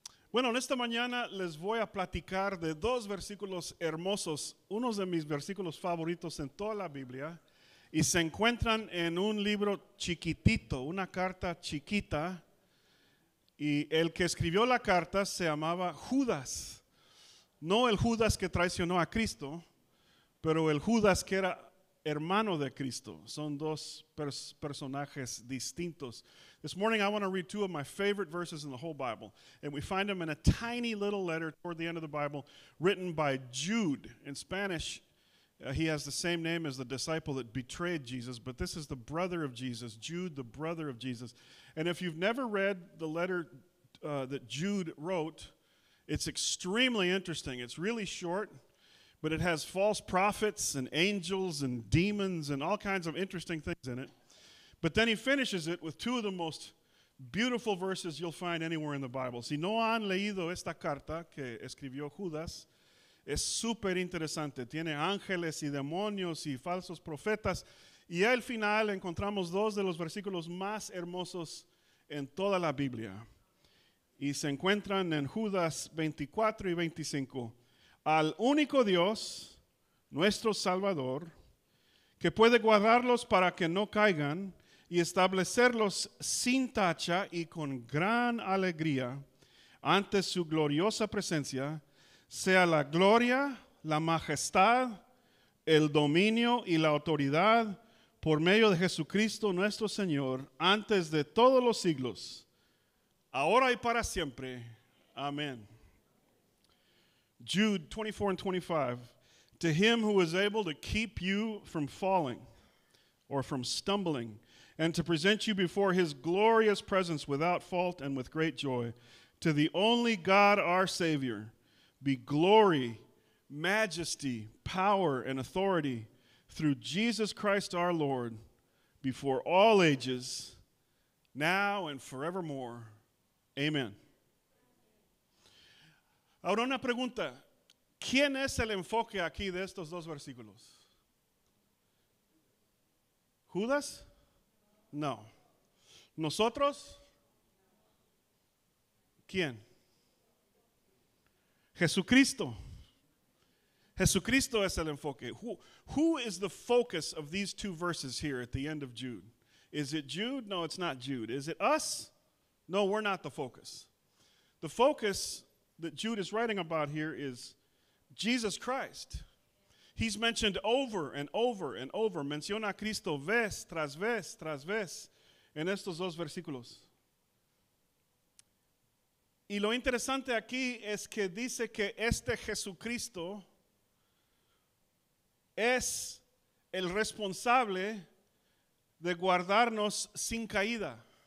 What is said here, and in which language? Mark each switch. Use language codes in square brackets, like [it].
[es] Bueno, en esta mañana les voy a platicar de dos versículos hermosos, unos de mis versículos favoritos en toda la Biblia, y se encuentran en un libro chiquitito, una carta chiquita, y el que escribió la carta se llamaba Judas. No el Judas que traicionó a Cristo, pero el Judas que era hermano de Cristo. Son dos personajes distintos. [en] This morning I want to read two of my favorite verses in the whole Bible. And we find them in a tiny little letter toward the end of the Bible, written by Jude. In Spanish, he has the same name as the disciple that betrayed Jesus, but this is the brother of Jesus, Jude, the brother of Jesus. And if you've never read the letter that Jude wrote, it's extremely interesting. It's really short, but it has false prophets and angels and demons and all kinds of interesting things in it. But then he finishes it with two of the most beautiful verses you'll find anywhere in the Bible. [es] Si no han leído esta carta que escribió Judas, es súper interesante. Tiene ángeles y demonios y falsos profetas. Y al final encontramos dos de los versículos más hermosos en toda la Biblia. Y se encuentran en Judas 24 y 25. Al único Dios, nuestro Salvador, que puede guardarlos para que no caigan y establecerlos sin tacha y con gran alegría, ante su gloriosa presencia, sea la gloria, la majestad, el dominio y la autoridad por medio de Jesucristo nuestro Señor, antes de todos los siglos, ahora y para siempre. Amén. [en] Jude 24 and 25, to him who is able to keep you from falling or from stumbling and to present you before his glorious presence without fault and with great joy, to the only God our Savior, be glory, majesty, power, and authority through Jesus Christ our Lord, before all ages, now and forevermore. Amen. [es] Ahora una pregunta, ¿quién es el enfoque aquí de estos dos versículos? ¿Judas? No. ¿Nosotros? ¿Quién? Jesucristo. Jesucristo es el enfoque. [en] Who is the focus of these two verses here at the end of Jude? Is it Jude? No, it's not Jude. Is it us? No, we're not the focus. The focus that Jude is writing about here is Jesus Christ. He's mentioned over and over and over. [es] Menciona a Cristo vez tras vez tras vez en estos dos versículos. Y lo interesante aquí es que dice que este Jesucristo es el responsable de guardarnos sin caída.